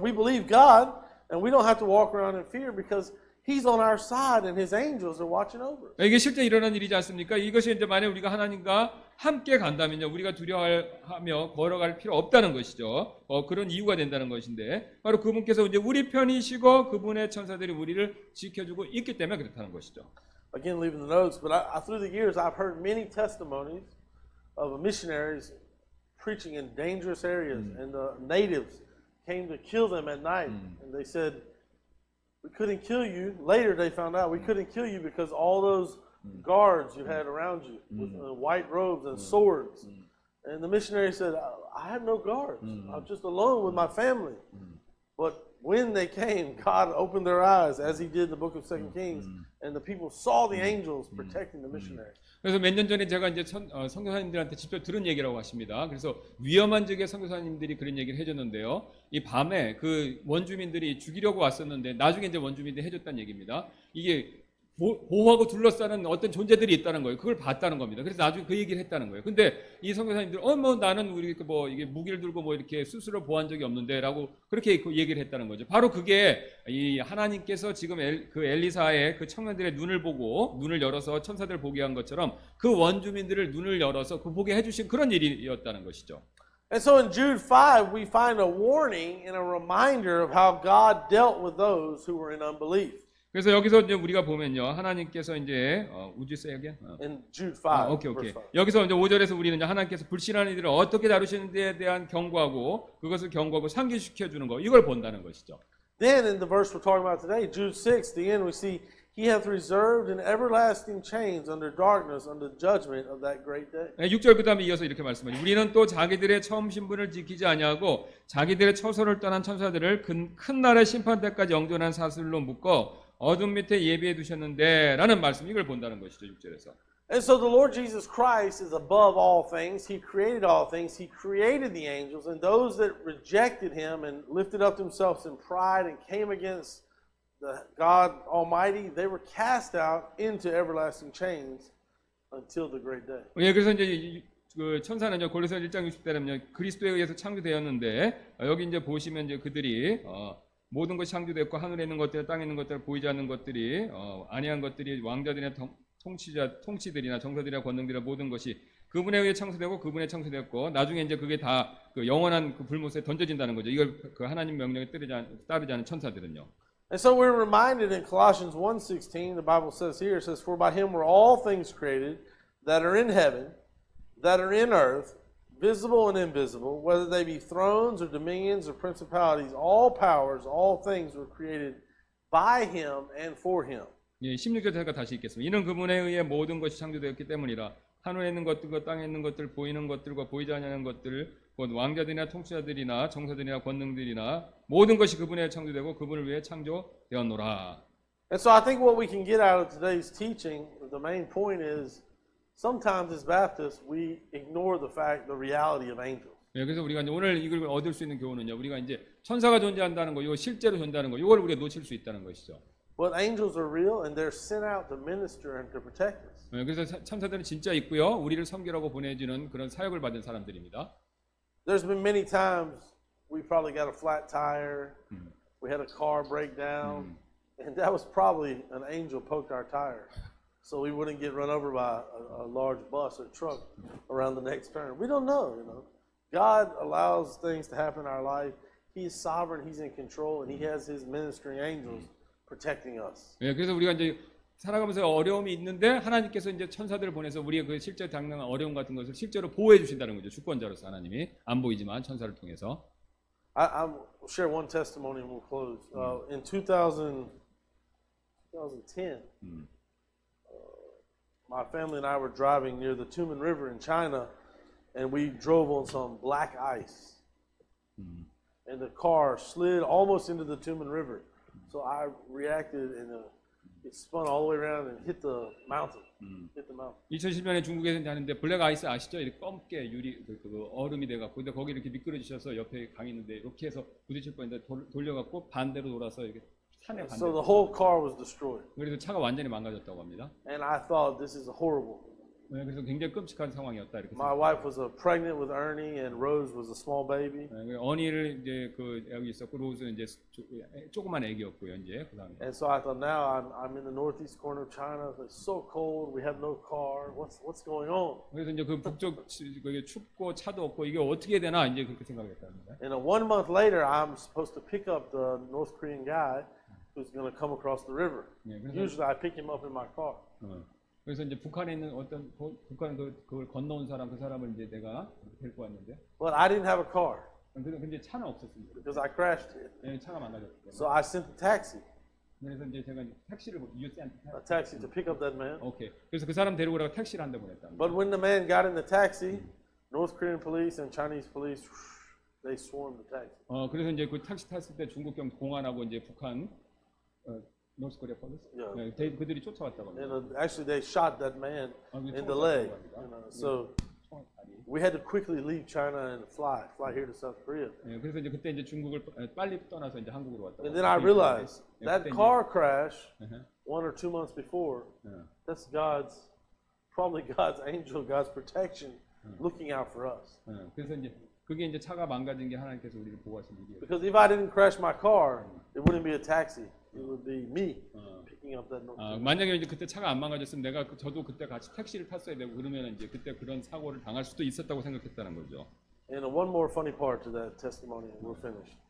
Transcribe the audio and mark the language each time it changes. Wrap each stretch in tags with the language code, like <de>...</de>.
<en>We believe God, and we don't have to walk around in fear because He's on our side, and His angels are watching over.</en> <ko>이게 실제 일어난 일이지 않습니까? 이것이 이제 만약 우리가 하나님과 함께 간다면요, 우리가 두려워하며 걸어갈 필요 없다는 것이죠. 그런 이유가 된다는 것인데, 바로 그분께서 이제 우리 편이시고 그분의 천사들이 우리를 지켜주고 있기 때문에 그렇다는 것이죠.</ko> <en>Again, leaving the notes, but through the years, I've heard many testimonies of missionaries preaching in dangerous areas, and the natives came to kill them at night, and they said, "We couldn't kill you." Later, they found out we couldn't kill you because all those guards you had around you with white robes and swords. And the missionary said, I have no guards. I'm just alone with my family. But when they came, God opened their eyes as he did in the book of 2 Kings and the people saw the angels protecting the missionary.</en> <ko>그래서 몇 년 전에 제가 이제 선교사님들한테 직접 들은 얘기라고 하십니다. 그래서 위험한 지역의 선교사님들이 그런 얘기를 해줬는데요. 이 밤에 그 원주민들이 죽이려고 왔었는데 나중에 이제 원주민들이 해줬다는 얘기입니다. 이게 보호하고 둘러싸는 어떤 존재들이 있다는 거예요. 그걸 봤다는 겁니다. 그래서 나중에 그 얘기를 했다는 거예요. 근데 이 선교사님들, 뭐 나는 우리 뭐 이게 무기를 들고 뭐 이렇게 스스로 보호한 적이 없는데라고 그렇게 얘기를 했다는 거죠. 바로 그게 이 하나님께서 지금 그 엘리사의 그 청년들의 눈을 보고 눈을 열어서 천사들 보게 한 것처럼 그 원주민들을 눈을 열어서 그 보게 해주신 그런 일이었다는 것이죠.</ko> <en>And so in Jude 5, we find a warning and a reminder of how God dealt with those who were in unbelief.</en> <ko>그래서 여기서 이제 우리가 보면요, 하나님께서 이제 우주세계</ko> <en>In Jude 5,</en> <ko>오케이. 여기서 이제 5절에서 우리는 이제 하나님께서 불신한 이들을 어떻게 다루시는지에 대한 경고하고 그것을 경고하고 상기시켜 주는 거, 이걸 본다는 것이죠.</ko> <en>Then in the verse we're talking about today, Jude 6, the end, we see He hath reserved an everlasting chains under darkness under judgment of that great day.</en> <ko>6절 그다음에 이어서 이렇게 말씀하니 우리는 또 자기들의 처음 신분을 지키지 아니하고 자기들의 처소를 떠난 천사들을 큰 날의 심판 때까지 영존한 사슬로 묶어 어둠 밑에 예비해 두셨는데라는 말씀 이걸 본다는 것이죠 6절에서.</ko> <en>And so the Lord Jesus Christ is above all things. He created all things. He created the angels and those that rejected Him and lifted up themselves in pride and came against the God Almighty, they were cast out into everlasting chains until the great day.</en> <ko>예, 그래서 이제 그 천사는요 골로새서 1장 60절에 그리스도에 의해서 창조되었는데 여기 이제 보시면 이제 그들이 모든 것이 창조됐고 하늘에 있는 것들, 땅에 있는 것들, 보이지 않는 것들이 아니한 것들이 왕자들이나 통치들이나 정사들이나 권능들이나 모든 것이 그분에 의해 창조되고 그분에 창조되었고 나중에 이제 그게 다 그 영원한 그 불못에 던져진다는 거죠. 이걸 그 하나님 명령에 따르지 않은 천사들은요.</ko> <en>And so we're reminded in Colossians 1:16, the Bible says here, it says, For by Him were all things created that are in heaven, that are in earth, visible and invisible, whether they be thrones or dominions or principalities, all powers, all things were created by Him and for Him.</en> <ko>예, 16절 제가 다시 읽겠습니다. 이는 그분에 의해 모든 것이 창조되었기 때문이라 하늘에 있는 것들과 땅에 있는 것들 보이는 것들과 보이지 않는 것들 곧 왕자들이나 통치자들이나 정사들이나 권능들이나 모든 것이 그분의 창조되고 그분을 위해 창조되었노라.</ko> <en>And so I think what we can get out of today's teaching, the main point is sometimes as Baptists we ignore the fact, the reality of angels.</en> <ko>예, 그래서 우리가 오늘 이걸 얻을 수 있는 교훈은요, 우리가 이제 천사가 존재한다는 거, 이거 실제로 존재하는 거, 이걸 우리가 놓칠 수 있다는 것이죠.</ko> <en>But angels are real and they're sent out to minister and to protect us.</en> <ko>예, 그래서 천사들은 진짜 있고요, 우리를 섬기라고 보내주는 그런 사역을 받은 사람들입니다.</ko> <en>There's been many times we probably got a flat tire, we had a car breakdown. And that was probably an angel poked our tire, so we wouldn't get run over by a large bus or truck around the next turn. We don't know, you know. God allows things to happen in our life. He's sovereign. He's in control, and He has His ministering angels protecting us.</en> <ko>예, 그래서 우리가 이제 살아가면서 어려움이 있는데 하나님께서 이제 천사들을 보내서 우리의 그 실제 당면 어려움 같은 것을 실제로 보호해 주신다는 거죠. 주권자로서 하나님이 안 보이지만 천사를 통해서.</ko> <en>I'll share one testimony and we'll close. In 2010, my family and I were driving near the Tumen River in China, and we drove on some black ice. And the car slid almost into the Tumen River. So I reacted and it spun all the way around and hit the mountain.</en> <ko>2010년에 중국에서 하는데 블랙 아이스 아시죠? 이렇게 검게 유리 그 얼음이 돼가 근데 거기 이렇게 미끄러지셔서 옆에 강이 있는데 이렇게 해서 부딪힐 뻔했는데 돌려갖고 반대로 돌아서 이렇게 산에 반대.</ko> <en>So the whole car was destroyed.</en> <ko>그래서 차가 완전히 망가졌다고 합니다.</ko> <en>And I thought this is horrible.</en> <ko>네, 그래서 굉장히 끔찍한 상황이었다 이렇게.</ko> <en>My wife was pregnant with Ernie, and Rose was a small baby.</en> <ko>네, 어니를 이제 그 여기 있었고 로즈는 이제 조그만 아기였고요 이제 그 다음에.</ko> <en>And so I thought, now I'm in the northeast corner of China. It's so cold. We have no car. What's going on?</en> <ko>그래서 이제 그 북쪽 그게 춥고 차도 없고 이게 어떻게 되나 이제 그렇게 생각했다.</ko> <en>And one month later, I'm supposed to pick up the North Korean guy who's going to come across the river.</en> <ko>네, 그래서,</ko> <en>Usually, I pick him up in my car.</en> <ko>그래서 이제 북한에 있는 어떤 북한 그걸 건너온 사람 그 사람을 이제 내가 데리고 왔는데.</ko> <en>But I didn't have a car.</en> <ko>근데 차는 없었습니다.</ko> <en>Because I crashed it.</en> <ko>네, 차가 망가졌어요.</ko> <en>So I sent a taxi.</en> <ko>그래서 이제 제가 택시를</ko> <en>you sent a taxi to pick up that man.</en> <ko>오케이. 그래서 그 사람 데리고 가서 택시를 한 대 보냈다.</ko> <en>But when the man got in the taxi, North Korean police and Chinese police, they swarmed the taxi.</en> <ko>그래서 이제 그 택시 탔을 때 중국경 공안하고 이제 북한.</ko> <en>노스 코리아 폴리스.</en> <ko>네, 그들이 쫓아왔다고 합니다.</ko> <en>Actually, they shot that man in the leg. So we had to quickly leave China and fly here to South Korea.</en> <ko>그래서 이제 그때 이제 중국을 빨리 떠나서 이제 한국으로 왔다.</ko> <en>And then I realized that car crash one or two months before. That's God's, probably God's angel, God's protection, looking out for us.</en> <ko>그래서 이제 그게 이제 차가 망가진 게 하나님께서 우리를 보호하신 일이에요.</ko> <en>Because if I didn't crash my car, it wouldn't be a taxi. It would be me picking up that note.</en> <ko>만약에 이제 그때 차가 안 망가졌으면 내가 저도 그때 같이 택시를 탔어야 되고 그러면 이제 그때 그런 사고를 당할 수도 있었다고 생각했다는 거죠.</ko> <en>And one more funny part to that testimony, and we'll finish.</en>